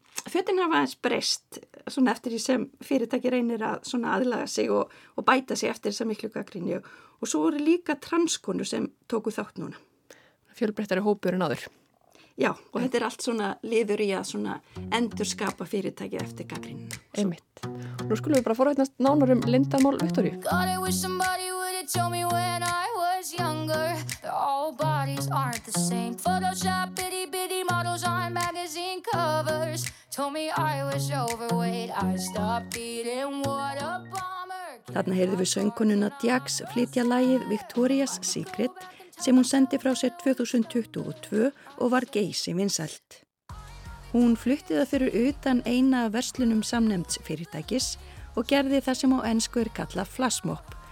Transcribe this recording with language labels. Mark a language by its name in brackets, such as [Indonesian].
[Icelandic] fötin hafa aðeins breyst svona eftir því sem fyrirtæki reynir að svona aðlaga sig og bæta sig eftir þess að miklu gagnrýni og svo eru líka transkonur sem tóku þátt núna. Fjölbreyttari hópur en áður. Já, og þetta er allt svona liður í að svona endurskapa fyrirtækið eftir gagnrýnina. Einmitt. Nú skulum við bara forvitnast nánar lindamál Viktoríu. [English] God, I wish somebody would have told me when I was younger. All bodies aren't the same. Photoshop bitty bitty models on magazine covers. Told me I was overweight. I stopped eating. What a bummer. [Icelandic] Þarna heyrðum við söngkonuna Djax flytja lagið Victoria's Secret sem hún sendi frá sér 2022 og var geysi vinsælt. Hún flutti það fyrir utan eina verslunum samnefnds fyrirtækis og gerði það sem á ensku kalla flashmob.